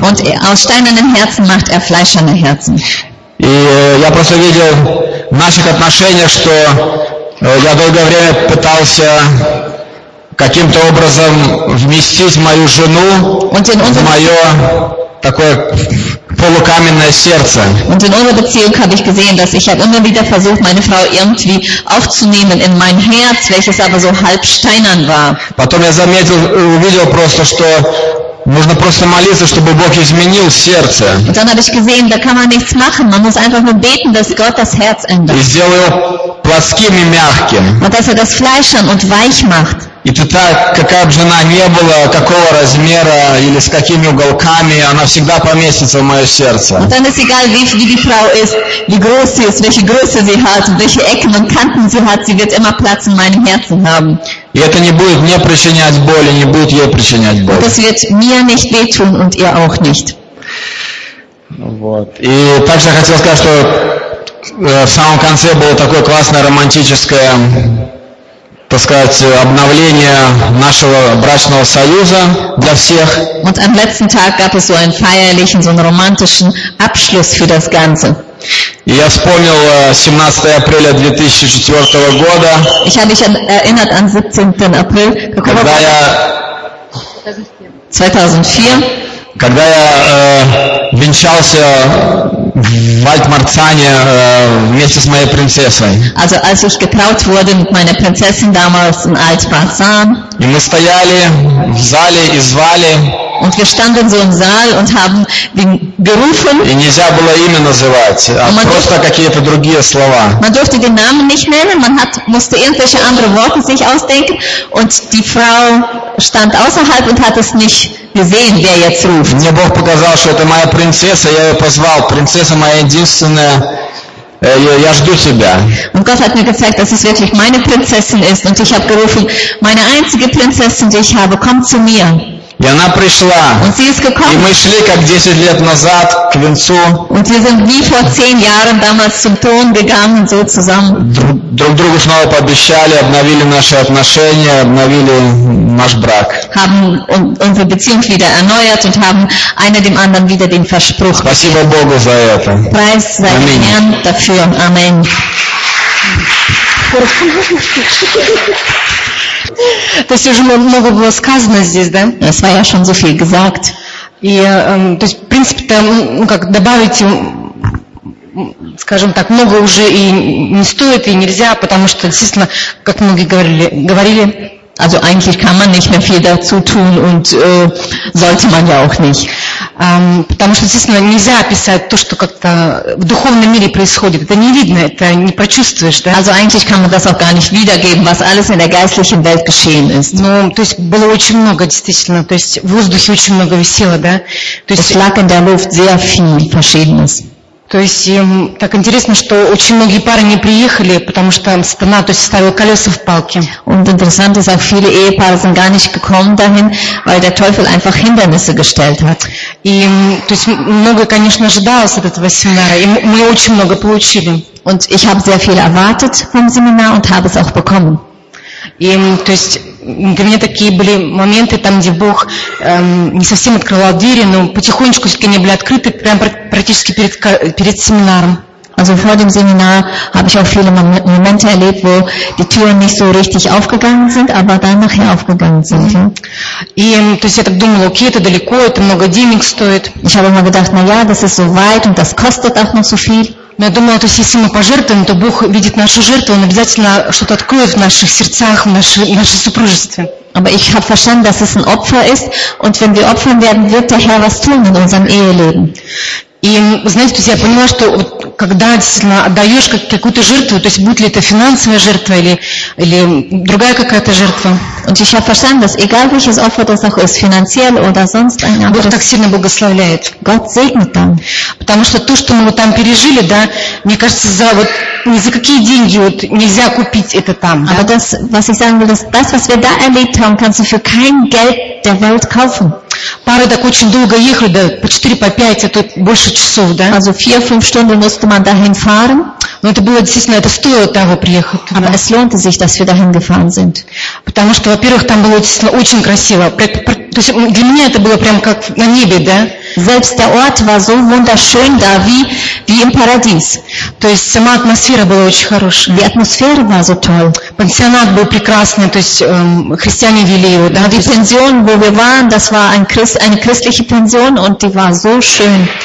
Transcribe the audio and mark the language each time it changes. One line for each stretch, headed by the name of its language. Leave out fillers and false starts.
German: Und aus steinernen Herzen macht er fleischerne Herzen.
Russian: И я просто видел в наших отношениях, что я долгое время пытался каким-то образом вместить мою жену в мое такое полукаменное сердце.
German: Und in unserer Beziehung habe ich gesehen, dass ich habe immer wieder versucht, meine Frau irgendwie aufzunehmen in mein Herz, welches aber so halb steinern war.
Russian: Потом я заметил, увидел просто, что нужно просто молиться, чтобы Бог изменил сердце.
German: Und dann habe ich gesehen, da kann man nichts machen. Man muss einfach nur beten, dass Gott das Herz ändert.
Russian: И сделал его плотским и мягким.
German: Und dass er das fleischern und weich macht.
Russian: И тогда, какая бы жена ни была, какого размера или с какими уголками, она всегда поместится в мое сердце.
German: Und dann ist egal, wie die Frau ist, wie groß sie ist, welche Größe sie hat, welche Ecken und Kanten sie hat, sie wird immer Platz in meinem Herzen haben.
Russian: И это не будет мне причинять боль, не будет ей причинять боль. Und das wird mir nicht wehtun und ihr auch nicht. Вот. И также я хотел сказать, что в самом конце было такое классное романтическое, так сказать, обновление нашего брачного союза для всех.
German: Und am letzten Tag gab es so einen feierlichen, so einen romantischen Abschluss für das Ganze.
Russian: И я вспомнил 17 апреля 2004 года.
German: Ich habe mich erinnert an 17. April.
Russian: Какого года? 2004. Когда я венчался в Альтмарцане вместе с моей принцессой.
German: Also als ich getraut wurde mit meiner Prinzessin damals in Altmarzan.
Russian: И мы стояли в зале и звали.
German: Und wir standen so im Saal und haben ihn gerufen.
Russian: И нельзя было имя называть, а просто
German: durfte,
Russian: какие-то другие слова.
German: Man durfte den Namen nicht nennen, man musste irgendwelche andere Worte sich ausdenken und die Frau stand außerhalb und hat es nicht gesehen, wer jetzt ruft.
Russian: Мне Бог показал, что это моя принцесса, я ее позвал. Принцесса моя единственная, я жду тебя.
German: Und Gott hat mir gezeigt, dass es wirklich meine Prinzessin ist und ich habe gerufen, meine einzige Prinzessin, die ich habe, komm zu mir.
Russian: И она пришла.
German: Und sie ist gekommen.
Russian: И мы шли как 10 лет назад к венцу.
German: Und wir sind wie vor 10 Jahren damals zum Thron gegangen, so zusammen.
Russian: Друг другу снова пообещали, обновили наши отношения, обновили наш брак.
German: Haben unsere Beziehung wieder erneuert und haben einer dem anderen wieder den Verspruch.
Russian: Спасибо Богу за это.
German: Preis sei dem Herrn dafür. Amen.
Russian: То есть уже много было сказано здесь, да?
German: Es war ja schon so viel gesagt.
Russian: И, то есть, в принципе, там, ну, как добавить, скажем так, много уже и не стоит, и нельзя, потому что, действительно, как многие говорили,
German: also eigentlich kann man nicht mehr viel dazu tun und sollte man ja auch nicht.
Russian: Потому что, естественно, нельзя описать то, что как-то в духовном мире происходит. Это не видно, это не почувствуешь, да?
German: Also eigentlich kann man das auch gar nicht wiedergeben, was alles in der geistlichen Welt geschehen ist.
Russian: Ну, то есть было очень много, действительно, то есть в воздухе очень много висело, да? То есть
German: lag in der Luft sehr viel Verschiedenes.
Russian: То есть так интересно, что очень многие пары не приехали, потому что сатана, то есть ставил колеса в палки.
German: Und interessant ist auch, viele Ehepaare sind gar nicht gekommen dahin, weil der Teufel einfach Hindernisse gestellt hat.
Russian: И то есть много, конечно, ожидалось от этого семинара, и мы очень много получили.
German: Und ich habe sehr viel erwartet vom Seminar und habe es auch bekommen.
Russian: И то есть для меня такие были моменты, там где Бог не совсем открывал двери, но потихонечку все-таки они были открыты, прям практически перед семинаром.
German: Also vor dem Seminar habe ich auch viele Momente erlebt, wo die Türen nicht so richtig aufgegangen sind, aber dann nachher aufgegangen sind.
Russian: И то есть я так думала, окей, это далеко, это много денег стоит.
German: Ich habe immer gedacht, naja, das ist so weit und das kostet auch noch so viel.
Russian: Но я думала, то есть если мы пожертвуем, то Бог видит нашу жертву, Он обязательно что-то откроет в наших сердцах, в нашем супружестве.
German: Aber ich habe verstanden, dass es ein Opfer ist, und wenn wir opfern werden, wird der Herr was tun in unserem Eheleben.
Russian: И, знаете, то есть я поняла, что вот, когда действительно отдаешь какую-то жертву, то есть будет ли это финансовая жертва или другая какая-то жертва.
German: Und ich habe verstanden, dass egal welches Opfer das auch ist, finanziell oder sonst ein anderes.
Russian: Бог так сильно благословляет.
German: Gott segnet dann.
Russian: Потому что то, что мы там пережили, да, мне кажется, за вот ни за какие деньги вот нельзя купить это там.
German: Aber
Russian: да?
German: Das, was ich sagen will, das, was wir da erlebt haben, kannst du für kein Geld der Welt kaufen.
Russian: Пары так очень долго ехали, да, по 4, по 5, а то больше часов, да?
German: Also 4-5 Stunden musste man dahin fahren.
Russian: Но это было действительно, это стоило того приехать.
German: Aber es lohnte sich, dass wir dahin gefahren sind.
Russian: Потому что, во-первых, там было действительно очень красиво. То есть для меня это было прям как на небе, да?
German: Selbst der Ort war so wunderschön da, wie im Paradies.
Russian: То есть сама атмосфера была очень хорошая.
German: Die Atmosphäre war so toll.
Russian: Пансионат был прекрасный, то есть христиане вели его. Да?
German: Die Pension, wo wir waren, das war eine christliche Pension und die war so schön.